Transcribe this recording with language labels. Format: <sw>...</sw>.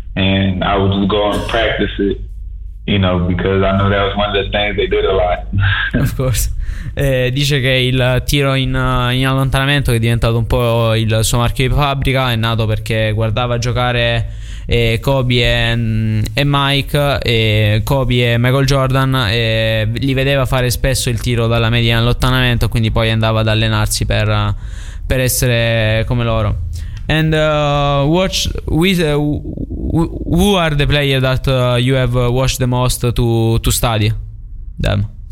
<en>And I would just go and practice it, because I know that was one of the things they did a lot. Of course.</en> <it>Dice che il tiro in allontanamento, che è diventato un po' il suo marchio di fabbrica, è nato perché guardava giocare Kobe e Mike, Kobe e Michael Jordan, e li vedeva fare spesso il tiro dalla media in allontanamento, quindi poi andava ad allenarsi per essere come loro.</it> <en>And who are the players that you have watched the most to study them?</en>